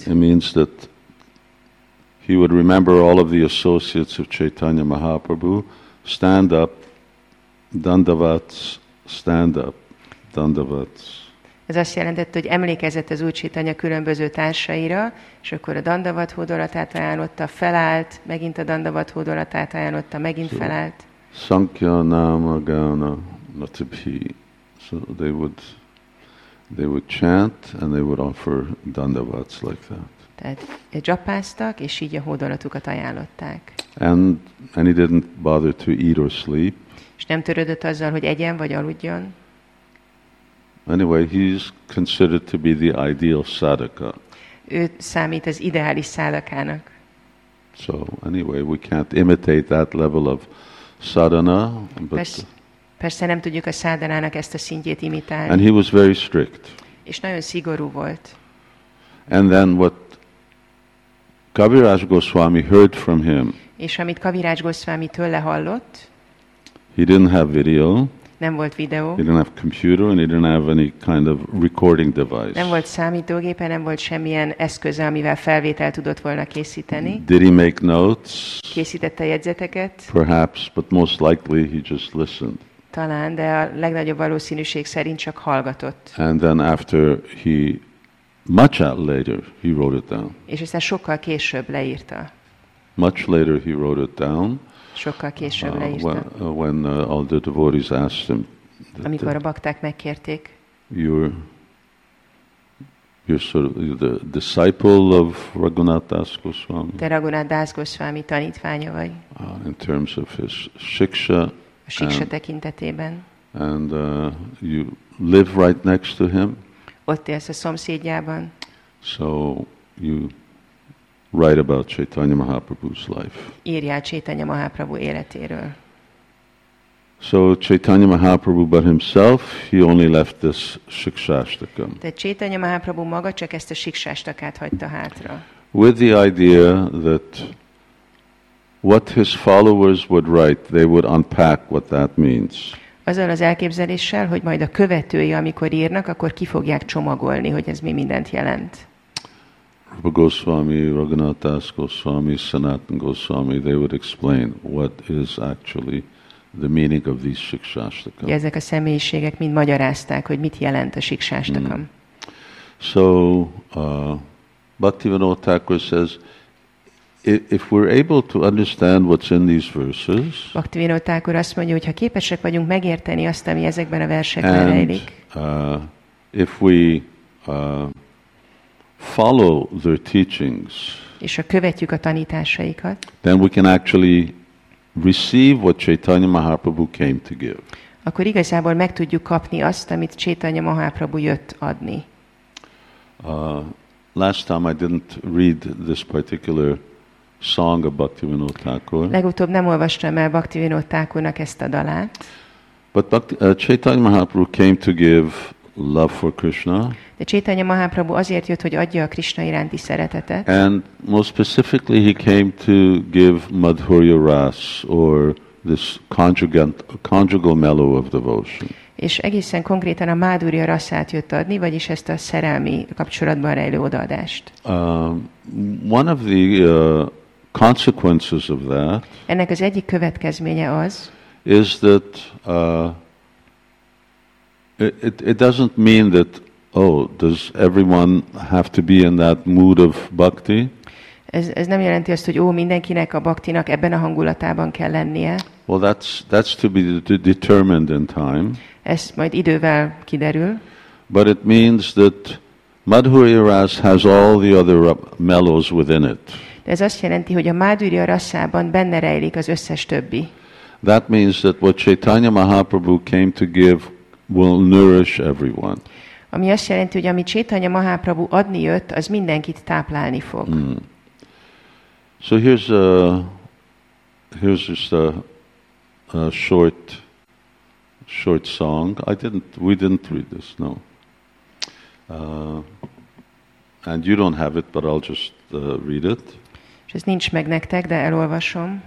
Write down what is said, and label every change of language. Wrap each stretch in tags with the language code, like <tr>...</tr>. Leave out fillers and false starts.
<en>It means that he would remember all of the associates of Chaitanya Mahaprabhu, stand up, dandavats, stand up, dandavats.</en> <hu>Ez azt jelentett, hogy emlékezett az Úr Chaitanya különböző társaira, és akkor a dandavat hódolatát ajánlotta, felállt, megint a dandavat hódolatát ajánlotta, megint felállt.</hu> <sa>Sankhya nama gana natibhi.</sa> <en>So they would chant, and they would offer dandavats like that.</en> <hu>Tehát japáztak, és így a hódolatukat ajánlották.</hu> <en>And he didn't bother to eat or sleep.</en> <hu>És nem törődött azzal, hogy egyen vagy aludjon.</hu> <en>Anyway, he's considered to be the ideal sadhaka.</en> <hu>Ő számít az ideális sadhakának.</hu> <en>So, anyway, we can't imitate that level of sadhana, but</en> <hu>persze nem tudjuk a sadhanának ezt a szintjét imitálni.</hu> <en>And he was very strict.</en> <hu>És nagyon szigorú volt.</hu> <en>And then what Kaviraj Goswami heard from him.</en> <hu>És amit Kaviraj Goswami tőle hallott.</hu> <en>He didn't have video.</en> <hu>Nem volt videó.</hu> <en>He didn't have computer and he didn't have any kind of recording device.</en> <hu>Nem volt számítógépe, nem volt semmilyen eszköze, amivel felvételt tudott volna készíteni.</hu> <en>Did he make notes?</en> <hu>Készítette jegyzeteket?</hu> <en>Perhaps, but most likely he just listened.</en> <hu>Talán, de a legnagyobb valószínűség szerint csak hallgatott.</hu> <en>And then after he much later he wrote it down.</en> <hu>És aztán sokkal később leírta.</hu> <en>Much later he wrote it down.</en> <hu>Sokkal később leírta.</hu> <en>When all the devotees asked him.</en> <hu>Amikor a bakták megkérték.</hu> <en>You're sort of the disciple of Raghunath Das Goswami.</en> <hu>Te Raghunath Das Goswami tanítványa vagy.</hu> <en>In terms of his shiksha.</en> <hu>A shiksha tekintetében.</hu> <en>And you live right next to him.</en> <hu>Ott élsz a szomszédjában.</hu> <en>So you write about Chaitanya Mahaprabhu's life.</en> <hu>Írjál Chaitanya Mahaprabhu életéről.</hu> <en>So Chaitanya Mahaprabhu by himself, he only left this Shikshashtakam.</en> <hu>De Chaitanya Mahaprabhu maga csak ezt a Shikshashtakát hagyta hátra.</hu> <en>With the idea that what his followers would write, they would unpack what that means.</en> <hu>Azzal az elképzeléssel, hogy majd a követői, amikor írnak, akkor ki fogják csomagolni, hogy ez mi mindent jelent.</hu> <en>Rupa Goswami, Raghunath Das Goswami, Sanatan Goswami, they would explain what is actually the meaning of these Shikshashtakam.</en> <hu>Ezek a személyiségek mind magyarázták, hogy mit jelent a Shikshashtakam.</hu> <en>So, Bhaktivinoda Thakur says, if we're able to understand what's in these verses,</en> <hu>Bhaktivinoda Thakur azt mondja, hogy ha képesek vagyunk megérteni azt, ami ezekben a versekben rejlik,</hu> <en>if we follow their teachings,</en> <hu>és ha követjük a tanításaikat,</hu> <en>then we can actually receive what Chaitanya Mahaprabhu came to give.</en> <hu>Akkor igazából meg tudjuk kapni azt, amit Chaitanya Mahaprabhu jött adni.</hu> <en>Last time I didn't read this particular song of Bhaktivinoda Thakur.</en> <hu>Legutóbb nem olvastam el Bhaktivinoda Thakurnak ezt a dalát.</hu> <en>But Chaitanya Mahaprabhu came to give love for Krishna.</en> <hu>De Chaitanya Mahaprabhu azért jött, hogy adja a Krishna iránti szeretetet.</hu> <en>And most specifically he came to give Madhurya Ras, or this conjugal mellow of devotion.</en> <hu>És egészen konkrétan a Madhurya Rasát jött adni, vagyis ezt a szerelmi kapcsolatban rejlő odaadást.</hu> <en>One of the consequences of that,</en> <hu>ennek az egyik következménye az,</hu> <en>is that it doesn't mean that, oh, does everyone have to be in that mood of bhakti?</en> <hu>Ez nem jelenti azt, hogy mindenkinek a bhaktinak ebben a hangulatában kell lennie.</hu> <en>Well, that's to be determined in time.</en> <hu>Ez majd idővel kiderül.</hu> <en>But it means that Madhurya Ras has all the other mellows within it.</en> <hu>De ez azt jelenti, hogy a Madhurya Rasában benne rejlik az összes többi.</hu> <en>That means that what Chaitanya Mahaprabhu came to give will nourish everyone.</en> <hu>Ami azt jelenti, hogy ami Chaitanya Mahaprabhu adni jött, az mindenkit táplálni fog. Mm.</hu> <en>So here's just a short song. We didn't read this, no. And you don't have it, but I'll just read it.</en> <hu>És ez nincs meg nektek, de elolvasom.</hu>